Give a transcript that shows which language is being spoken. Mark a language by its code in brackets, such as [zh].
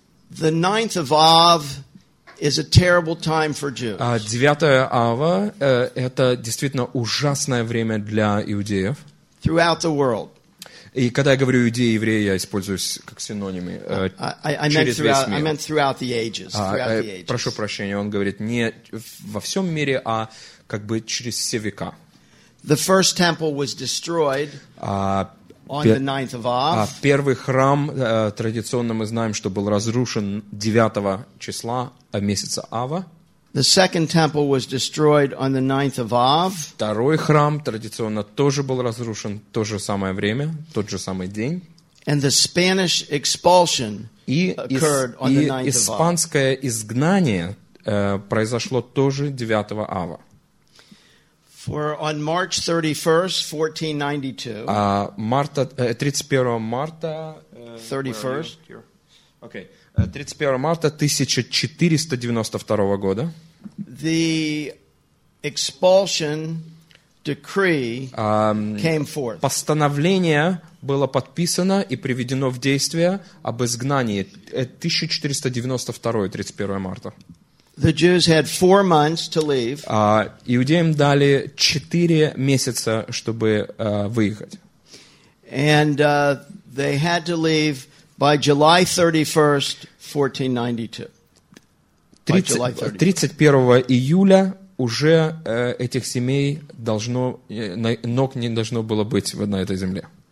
[en] the 9th of Av is a terrible time for Jews. [ru] 9 Ава это действительно ужасное время для иудеев. [en] Throughout the world. [ru] И когда я говорю иудеи, евреи, я использую как синонимы через весь мир. [en] I meant throughout the ages. [ru] Прошу прощения, он говорит не во всем мире, а как бы через все века. [en] The first temple was destroyed. On the 9th of Av. [ru] Первый храм, традиционно мы знаем, что был разрушен 9 числа месяца Ава. [en] The second temple was destroyed on the 9th of Av. [ru] Второй храм традиционно тоже был разрушен в то же самое время, тот же самый день. [en] And the Spanish expulsion occurred on the 9th of Av. [ru] И испанское изгнание произошло тоже 9 Ава. [en] For on March 31st, 1492. [ru] Марта 31 марта. [en] 31st. [ru] Okay. 31 марта 1492 года. [en] The expulsion decree came forth. [ru] Постановление было подписано и приведено в действие об изгнании 1492 31 марта. [en] The Jews had 4 months to leave. [ru] Иудеям дали 4 месяца, чтобы выехать. [en] And they had to leave by July 31st, 1492. [ru] 31 июля уже этих семей должно ног не должно было быть на этой земле.